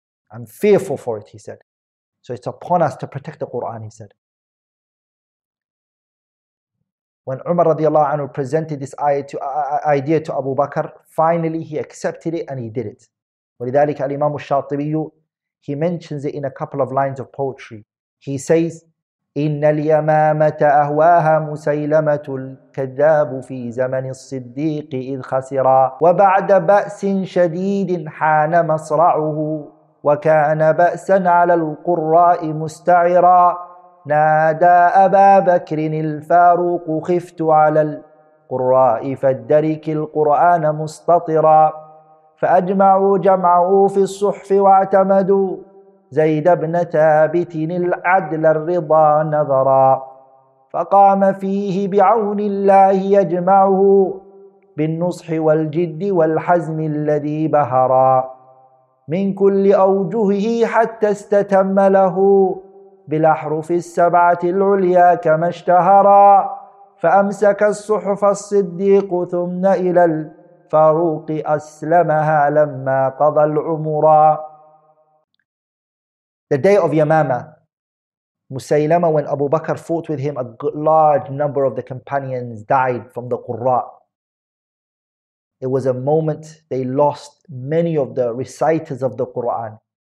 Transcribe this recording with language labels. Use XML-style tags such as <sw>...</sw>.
<en>I'm fearful for it, he said. So it's upon us to protect the Qur'an, he said. When Umar radiallahu anhu presented this idea to Abu Bakr, finally he accepted it and he did it.</en> <ar>ولذلك الإمام الشاطبي,</ar> <en>he mentions it in a couple of lines of poetry. He says,</en> <ar>إِنَّ الْيَمَامَةَ أَهْوَاهَا مُسَيْلَمَةُ الْكَذَّابُ فِي زَمَنِ الصِّدِّيقِ إِذْ خَسِرَا وَبَعْدَ بَأْسٍ شَدِيدٍ حَانَ مَصْرَعُهُ وَكَانَ بَأْسًا عَلَى الْقُرَّاءِ مُسْتَعِرًا نَادَى أَبَا بَكْرٍ الْفَارُوقُ خِفْتُ عَلَى الْقُرَّاءِ فَادَّرِكِ الْقُرْآنَ مُسْتَطِرًا فَأَجْمَعُوا جَمْعَهُ فِي الصُّحْفِ وَاعْتَمَدُوا زيد بن ثابت العدل الرضا نظرا فقام فيه بعون الله يجمعه بالنصح والجد والحزم الذي بهرا من كل أوجهه حتى استتم له بالأحرف السبعة العليا كما اشتهرا فأمسك الصحف الصديق ثم إلى الفاروق أسلمها لما قضى العمرا.</ar> <en>The day of Yamama, Musaylama, when Abu Bakr fought with him, a large number of the companions died from the Qurra. It was a moment they lost many of the reciters of the Qur'an.</en>